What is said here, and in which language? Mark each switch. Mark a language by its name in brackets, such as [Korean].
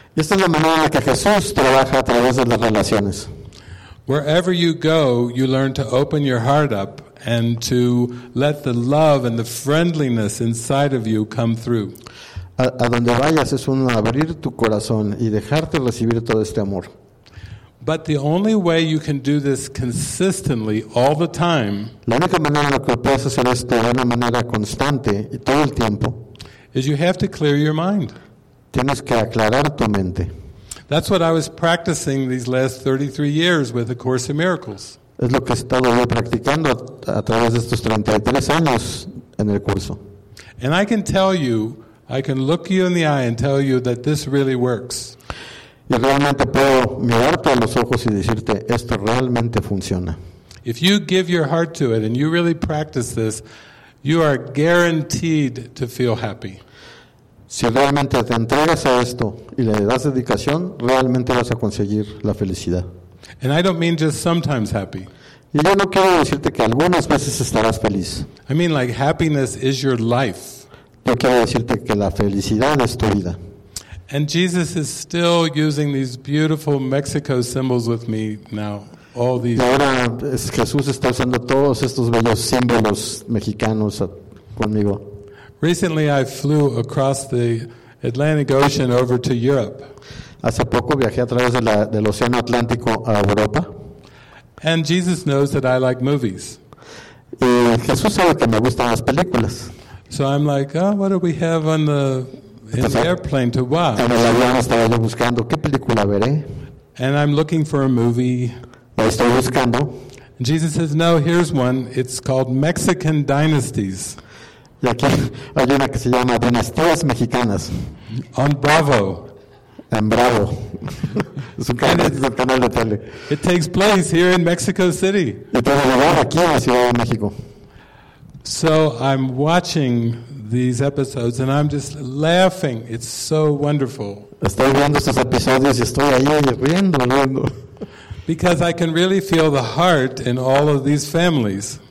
[Spanish] Esta es la manera en la que Jesús trabaja a través de las relaciones. [English] Wherever you go, you learn to open your heart up and to let the love and the friendliness inside of you come through. [Spanish] A donde vayas es un abrir tu corazón y dejarte recibir todo este amor. [English] But the only way you can do this consistently all the time, [Spanish] la única manera en la que puedes hacer esto de una manera constante y todo el tiempo, [English] is you have to clear your mind. [Spanish] Tienes que aclarar tu mente. [English] That's what I was practicing these last 33 years with A Course in Miracles. [Spanish] Es lo que he estado practicando a través de estos 33 años en el curso. [English] And I can tell you, I can look you in the eye and tell you that this really works. [Spanish] Y realmente puedo mirarte a los ojos y decirte, esto realmente funciona. [English] If you give your heart to it and you really practice this, you are guaranteed to feel happy. [Spanish] Si realmente te entregas a esto y le das dedicación, realmente vas a conseguir la felicidad. [English] And I don't mean just sometimes happy. [Spanish] Y yo no quiero decirte que algunas veces estarás feliz. [English] I mean like happiness is your life. [Spanish] Yo quiero decirte que la felicidad es tu vida. [English] And Jesus is still using these beautiful Mexico symbols with me now. All these. [Spanish] Y ahora Jesús está usando todos estos bellos símbolos mexicanos conmigo. [English] Recently, I flew across the Atlantic Ocean over to Europe. [Spanish] Hace poco viajé a través del Océano Atlántico a Europa. [English] And Jesus knows that I like movies. [Spanish] Y Jesús sabe que me gustan las películas. [English] So I'm like, oh, what do we have on the in the airplane to watch? [Spanish] En el avión estaba yo buscando qué película veré. [English] And I'm looking for a movie. [Spanish] Estoy buscando. [English] And Jesus says, no, here's one. It's called Mexican Dynasties. [Spanish] Y aquí hay una que se llama Dinastías Mexicanas. [English] On Bravo. [Spanish] En Bravo. Es un canal, es un canal de tele. [English] It takes place here in Mexico City. [Spanish] Y tiene lugar aquí en la Ciudad de México. [English] So I'm watching these episodes and I'm just laughing. It's so wonderful. [Spanish] Estoy viendo estos episodios y estoy ahí riendo, riendo. [English] Because I can really feel the heart in all of these families.